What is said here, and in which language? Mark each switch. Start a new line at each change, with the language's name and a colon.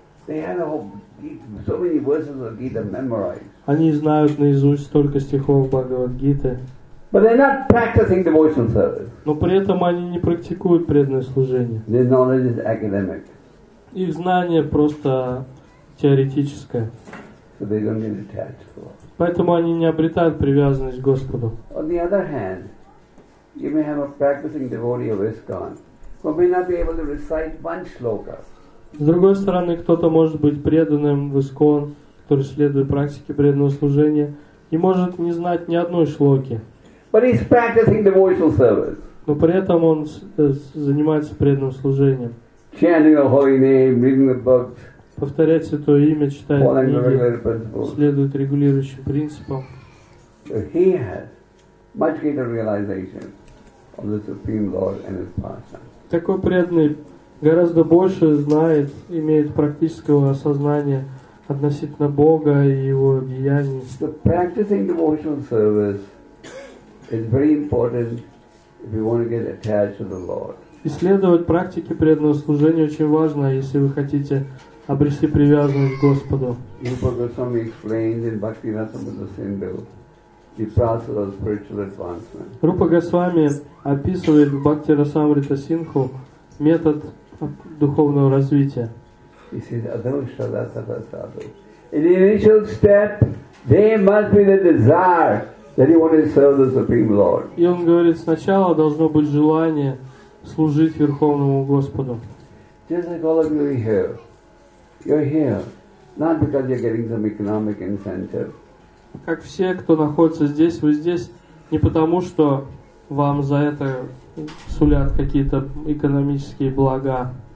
English: They have whole, so many verses of Gita memorized.
Russian: Они знают наизусть столько стихов Бхагавад-гиты.
English: But they're not practicing devotional service.
Russian: Но при этом они не практикуют преданное служение.
English: Their knowledge is academic.
Russian: Их знание просто теоретическое.
English: So they don't get attached to Lord.
Russian: Поэтому они не обретают привязанность к Господу.
English: On the other hand, you may have a practicing devotee of ISKCON who may not be able to recite one shloka.
Russian: С другой стороны, кто-то может быть преданным в ISKCON, который следует практике преданного служения, и может не знать ни одной шлоки.
English: But he's practicing devotional service.
Russian: Но при этом он занимается преданным служением.
English: Chanting the holy name, reading the books.
Russian: Повторять святое имя, читать книги, следует регулирующим принципам.
English: So he has much greater realization of the Supreme Lord and His pastime.
Russian: Такой преданный гораздо больше знает, имеет практического осознания относительно Бога и Его деяний.
English: So practicing devotional service is very important if we want to get attached to the Lord.
Russian: Исследовать практики преданного служения очень важно, если вы хотите обрести привязанность к Господу.
English: Rupa Goswami explained in Bhaktivinoda Sindhu the process of spiritual advancement.
Russian: Rupa Goswami описывает в Бхактирасамрита Синху метод духовного развития.
English: He says, Adhavishtha-dhata-dhata-dhata. In the initial step, there must be the desire that you want to serve the Supreme Lord.
Russian: И он говорит, сначала должно быть желание служить Верховному Господу.
English: Just like all of you here, you're here not because you're getting some economic incentive.
Russian: Как все, кто находится здесь, вы здесь не потому, что вам за это сулят какие-то экономические блага.